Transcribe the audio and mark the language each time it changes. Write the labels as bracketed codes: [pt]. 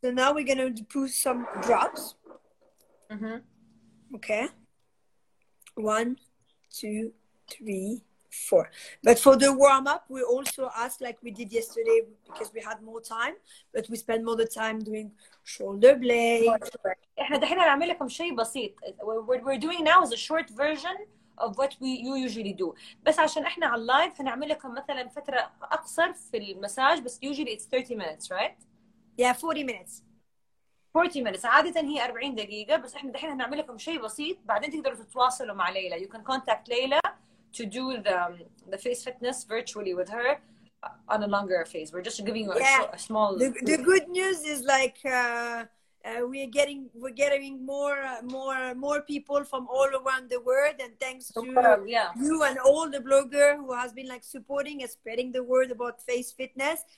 [en] So now we're gonna put some drops. Mm-hmm. Okay. 1, 2, 3, 4. But for the warm up, we also asked like we did yesterday, because we had more time, but we spent more the time doing shoulder blade. [ar] احنا دحين هنعمل لكم شيء بسيط. [en] What we're doing now is a short version of what we usually do. [ar] بس عشان احنا على اللايف هنعمل لكم مثلا فترة أقصر في المساج, بس [en] usually it's 30 minutes, right? Yeah, 40 minutes. 40 minutes. [ar] عادة هي 40 دقيقة, بس احنا دحين هنعمل لكم شيء بسيط, بعدين تقدروا تتواصلوا مع ليلى. [en] You can contact ليلى to do the face fitness virtually with her. On a longer phase, we're just giving you a small. The good news is like we're getting more people from all around the world, and thanks to you and all the blogger who has been like supporting and spreading the word about face fitness.